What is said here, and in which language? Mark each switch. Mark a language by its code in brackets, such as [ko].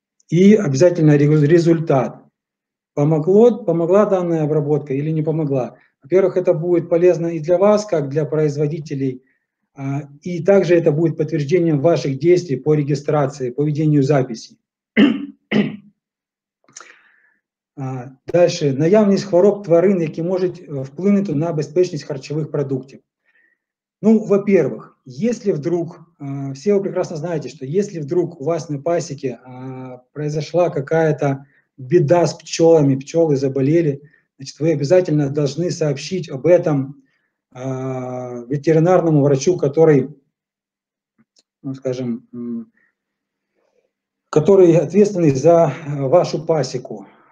[ru] И обязательно результат. Помогла данная обработка или не помогла? Во-первых, это будет полезно и для вас, как для производителей, и также это будет подтверждением ваших действий по регистрации, по ведению записи. Дальше. [uk] Наявність хвороб тварин, які можуть вплинути на безпечність харчових продуктів. [ru] Ну, во-первых, если вдруг, все вы прекрасно знаете, что если вдруг у вас на пасеке произошла какая-то беда с пчелами, пчелы заболели, значит, вы обязательно должны сообщить об этом ветеринарному врачу, который, ну, скажем, который ответственный за вашу пасеку.